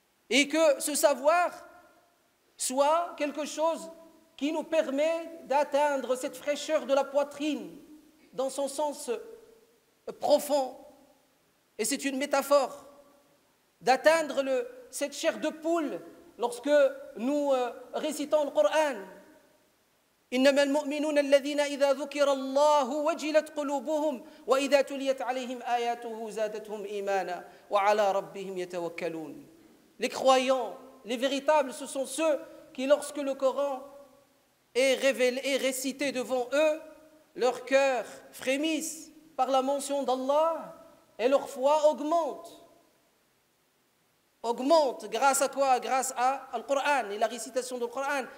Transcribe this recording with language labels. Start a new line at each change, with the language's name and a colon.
French: Et que ce savoir soit quelque chose qui nous permet d'atteindre cette fraîcheur de la poitrine dans son sens profond. Et c'est une métaphore d'atteindre cette chair de poule lorsque nous récitons le Coran.
Arabic: إنما المؤمنون الذين إذا ذكر الله وجلت قلوبهم وإذا تليت عليهم آياته زادتهم إيمانا وعلى ربهم يتوكلون.
French: Les croyants, les véritables, ce sont ceux qui, lorsque le Coran est révélé et récité devant eux, leur cœur frémisse par la mention d'Allah et leur foi augmente. Augmente grâce à quoi? Grâce à le Coran et la récitation du Coran.